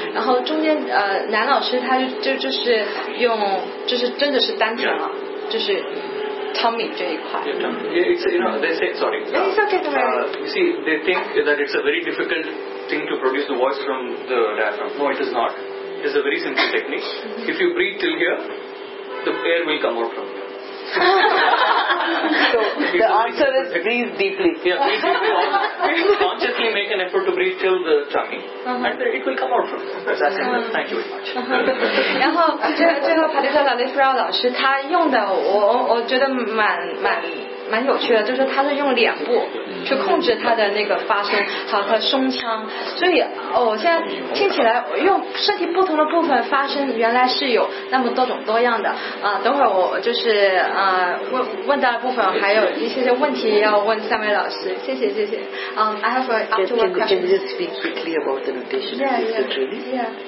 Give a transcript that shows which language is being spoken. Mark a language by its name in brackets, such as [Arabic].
[Chinese] 然后中间男老师他就是用，就是真的是丹田了，就是 tummy 这一块。 [English] They think that it's a very difficult thing to produce the voice from the diaphragm. No, it is not. It's a very simple technique. If you breathe till here, the air will come out from here. So, the answer is breathe deeply. Yeah, breathe deeply. Consciously make an effort to breathe till the tummy. And it will come out from there. That's it. Thank you very much. [Chinese] 然后最后帕迪特拉雷夫绕老师他用的我觉得蛮有趣的，就是他是用脸部去控制他的那个发声和胸腔，所以我现在听起来用身体不同的部分发声原来是有那么多种多样的等会儿我就是问到的部分还有一些问题要问三位老师，谢谢。 [English] I have a up to one question. Can you just speak quickly about the notation?